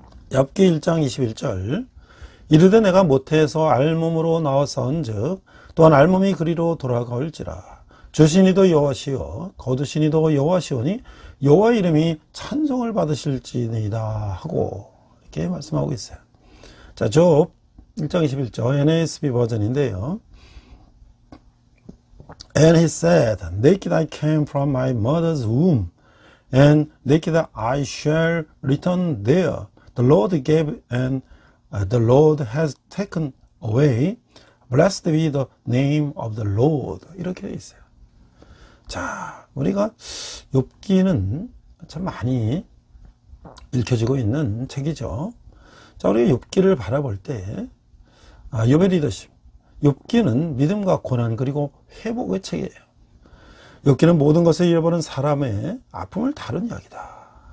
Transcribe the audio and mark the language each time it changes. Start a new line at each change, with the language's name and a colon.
Korean: 욥기 1장 21절 이르되 내가 모태에서 알몸으로 나왔사온즉 또한 알몸이 그리로 돌아가올지라. 주신이도 여호와시요 거두신이도 여호와시오니 여호와 이름이 찬송을 받으실지니이다 하고 이렇게 말씀하고 있어요. 자, 욥 1장 21절 NASB 버전인데요.
English: And he said, Naked I came from my mother's womb, and naked I shall return there. The Lord gave, and the Lord has taken away. Blessed be the name of the Lord.
Korean: 이렇게 돼 있어요. 자, 우리가 욥기는 참 많이 읽혀지고 있는 책이죠. 자, 우리가 욥기를 바라볼 때, 욥의 리더십, 욥기는 믿음과 고난 그리고 회복의 책이에요. 욥기는 모든 것을 잃어버린 사람의 아픔을 다룬 이야기다.